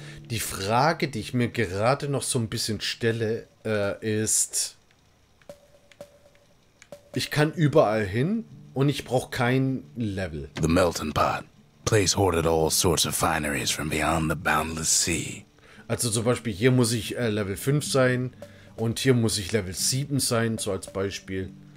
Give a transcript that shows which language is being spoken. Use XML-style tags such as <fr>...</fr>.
<de>Die Frage, die ich mir gerade noch so ein bisschen stelle, ist. Ich kann überall hin und ich brauche kein Level.</de> <en>The Melting Pot. Place hoarded all sorts of fineries from beyond the boundless sea.</en> <de>Also zum Beispiel, hier muss ich Level 5 sein und hier muss ich Level 7 sein, so als Beispiel.</de>